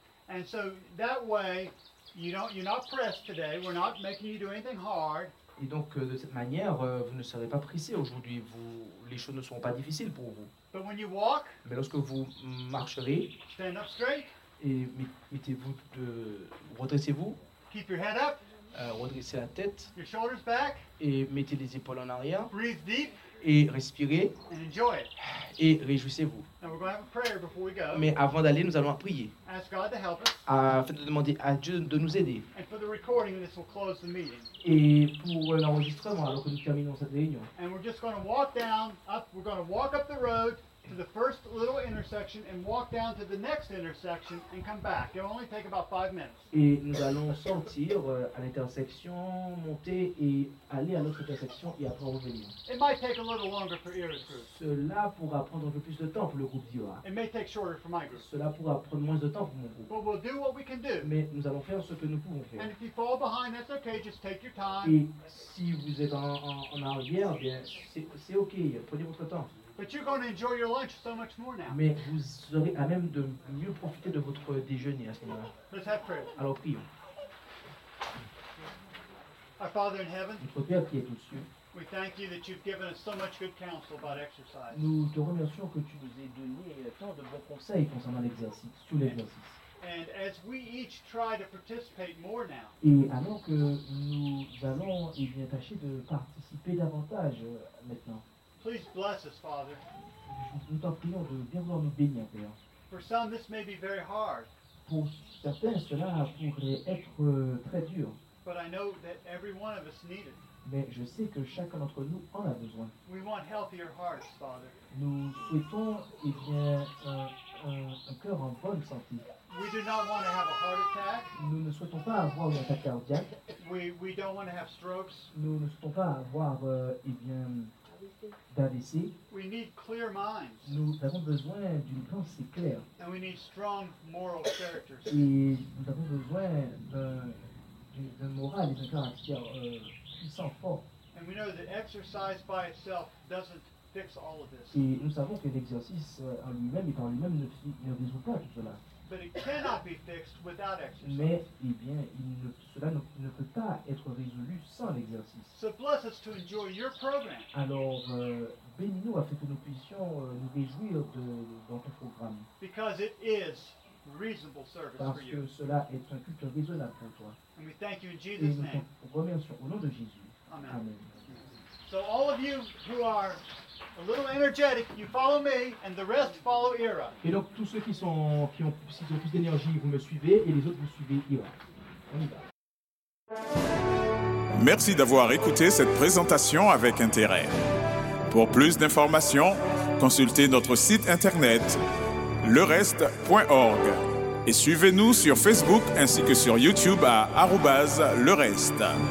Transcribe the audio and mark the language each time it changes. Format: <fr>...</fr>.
<en>And so that way you're not pressed today. We're not making you do anything hard.</en> <fr>Et donc, de cette manière, vous ne serez pas pressé aujourd'hui. Vous, les choses ne seront pas difficiles pour vous.</fr> <en>But when you walk,</en> <fr>mais lorsque vous marcherez,</fr> <en>stand up straight,</en> <fr>et mettez-vous de, redressez-vous,</fr> <en>keep your head up,</en> <fr>redressez la tête,</fr> <en>your shoulders back,</en> <fr>et mettez les épaules en arrière,</fr> <en>breathe deep,</en> <fr>et respirez,</fr> <en>and enjoy it.</en> <fr>Et réjouissez-vous.</fr> <en>Now we're going to have a prayer before we go.</en> <fr>Mais avant d'aller, nous allons prier.</fr> <en>Ask God to help us.</en> <fr>Afin de demander à Dieu de nous aider.</fr> <en>And for the recording, this will close the meeting.</en> <fr>Et pour l'enregistrement, alors que nous terminons cette réunion.</fr> <en>And we're just going to walk down, up, we're going to walk up the road to the first little intersection and walk down to the next intersection and come back. It'll only take about 5 minutes.</en> <fr>Et nous allons sortir à l'intersection, monter et aller à l'autre intersection et après revenir.</fr> <en>It might take a little longer for Ira's group.</en> <fr>Cela pourra prendre un peu plus de temps pour le groupe d'Ira.</fr> <en>It may take shorter for my group.</en> <fr>Cela pourra prendre moins de temps pour mon groupe.</fr> <en>But we'll do what we can do.</en> <fr>Mais nous allons faire ce que nous pouvons faire.</fr> <en>And if you fall behind, that's okay. Just take your time.</en> <fr>Et si vous êtes en arrière, bien, c'est ok. Prenez votre temps.</fr> <en>But you're going to enjoy your lunch so much more now.</en> <fr>Mais vous serez à même de mieux profiter de votre déjeuner à ce moment-là.</fr> <en>Let's have prayer.</en> <fr>Alors prions.</fr> <en>Our Father in heaven.</en> <fr>Notre Père qui est aux cieux.</fr> <en>We thank you that you've given us so much good counsel about exercise.</en> <fr>Nous te remercions que tu nous aies donné tant de bons conseils concernant l'exercice, sur l'exercice.</fr> <en>And as we each try to participate more now.</en> <fr>Et alors que nous allons et bien tâcher de participer davantage maintenant.</fr> <en>Please bless us, Father.</en> <fr>Nous t'en prions de bien vouloir nous bénir, Père.</fr> <en>For some, this may be very hard.</en> <fr>Pour certains, cela pourrait être très dur.</fr> <en>But I know that every one of us need it.</en> <fr>Mais je sais que chacun d'entre nous en a besoin.</fr> <en>We want healthier hearts, Father.</en> <fr>Nous souhaitons et bien, un cœur en bonne santé.</fr> <en>We do not want to have a heart attack.</en> <fr>Nous ne souhaitons pas avoir une attaque cardiaque.</fr> <en>We don't want to have strokes.</en> <fr>Nous ne souhaitons pas avoir et bien, d'ABC.</fr> <en>We need clear minds.</en> <fr>Nous avons besoin d'une pensée claire.</fr> <en>And we need strong moral characters.</en> <fr>Et nous avons besoin d'un moral et d'un caractère puissant, fort.</fr> <en>And we know that exercise by itself doesn't fix all of this.</en> <fr>Et nous savons que l'exercice en lui-même et par lui-même ne résout pas tout cela.</fr> <en>But it cannot be fixed without exercise.</en> <fr>Mais eh bien, cela ne peut pas être résolu sans l'exercice.</fr> <en>So bless us to enjoy your program.</en> <fr>Alors bénis-nous afin que nous puissions nous réjouir dans ton programme.</fr> <en>Because it is reasonable service.</en> <fr>Parce</fr> <en>for you.</en> <fr>Que cela est un culte raisonnable pour toi.</fr> <en>And we thank you in Jesus' name.</en> <fr>Et nous te remercions au nom de Jésus.</fr> <en>Amen. Amen. So all of you who are a little energetic, you follow me, and the rest follow Ira.</en> <fr>Et donc tous ceux qui ont plus d'énergie, vous me suivez, et les autres vous suivez Ira. On y va. Merci d'avoir écouté cette présentation avec intérêt. Pour plus d'informations, consultez notre site internet lereste.org et suivez-nous sur Facebook ainsi que sur YouTube à @lereste.</fr>